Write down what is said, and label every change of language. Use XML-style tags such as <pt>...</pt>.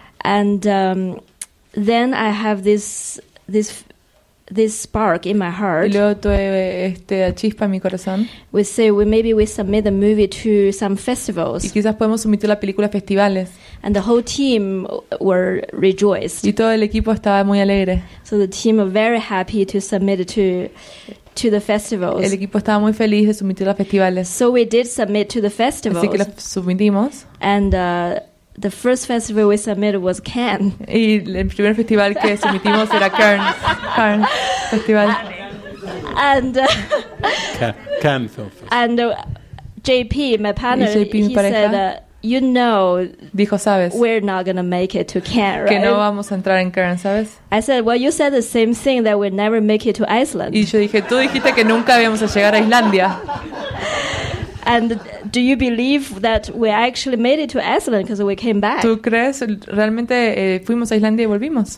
<en>And then I have this spark in my heart.</en> <es>Y luego tuve chispa en mi corazón.</es> <en>We say maybe we submit the movie to some festivals.</en> <es>Y quizás podemos submitir la película a festivales.</es> <en>And the whole team were rejoiced.</en> <es>Y todo el equipo estaba muy alegre.</es> <en>So the team were very happy to submit it to the festivals.</en> <es>El equipo estaba muy feliz de submitir a festivales.</es> <en>So we did submit to the festivals.</en> <es>Así que lo submitimos.</es> <en>And the first festival we submitted was Cannes.</en> <es>Y el primer festival que submitimos era Cannes.</es> <en>Cannes Festival. And Cannes Film Festival. And JP, my partner,</en> <es>JP, mi</es> <en>he</en> <es>pareja,</es> <en>said you know,</en> <es>dijo, sabes,</es> <en>we're not gonna make it to Cannes, right?</en> <es>Que no vamos a entrar en Cannes, sabes.</es> <en>I said, well, you said the same thing that we'll never make it to Iceland.</en> <es>Y yo dije, tú dijiste que nunca íbamos a llegar a Islandia.</es> <en>And do you believe that we actually made it to Iceland because we came back?</en> <es>¿Tú crees realmente fuimos a Islandia y volvimos?</es>